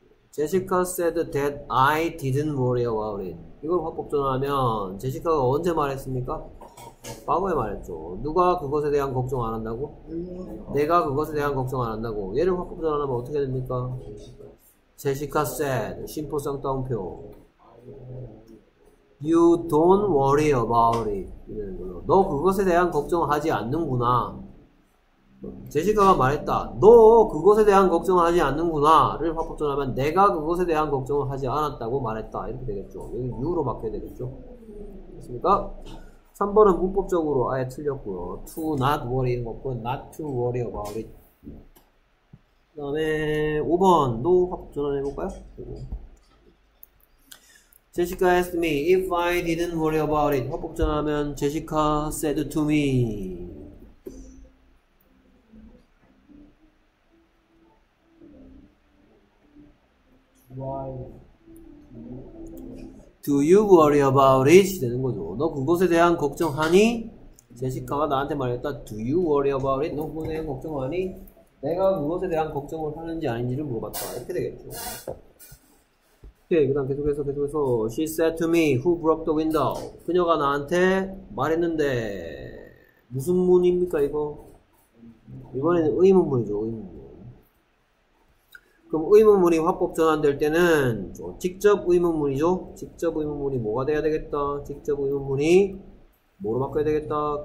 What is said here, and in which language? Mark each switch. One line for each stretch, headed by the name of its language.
English: Jessica said that I didn't worry about it.
Korean: 이걸 화법 전환하면, Jessica가 언제 말했습니까? 과거에 말했죠. 누가 그것에 대한 걱정 안 한다고? 내가 그것에 대한 걱정 안 한다고. 얘를 화법 전환하면 어떻게 됩니까?
English: 제시카 said,
Korean: 심포상 따옴표.
English: You don't worry about it.
Korean: 이런 걸로. 너 그것에 대한 걱정하지 않는구나. 제시카가 말했다. 너 그것에 대한 걱정하지 않는구나. 를 화법 전하면 내가 그것에 대한 걱정을 하지 않았다고 말했다. 이렇게 되겠죠. 여기 you로 바뀌어야 되겠죠. 됐습니까? 3번은 문법적으로 아예 틀렸고요.
English: To not worry
Korean: 이런 거 없고,
English: not to worry about it.
Korean: 그 다음에 5번도 화법 전환해 볼까요?
English: 제시카 asked me if I didn't worry about it.
Korean: 화법 전환하면 제시카
English: said to me. Do you worry about it? 되는 거죠.
Korean: 너 그것에 대한 걱정하니? 제시카가 나한테 말했다.
English: Do you worry about it?
Korean: 너 그것에 대한 걱정하니? 내가 그것에 대한 걱정을 하는지 아닌지를 물어봤다. 이렇게 되겠죠. 오케이. 그 다음 계속해서.
English: She said to me, who broke the window?
Korean: 그녀가 나한테 말했는데, 무슨 문입니까, 이거? 이번에는 의문문이죠, 의문문. 그럼 의문문이 화법 전환될 때는 직접 의문문이죠. 직접 의문문이 뭐가 돼야 되겠다. 직접 의문문이 뭐로 바꿔야 되겠다.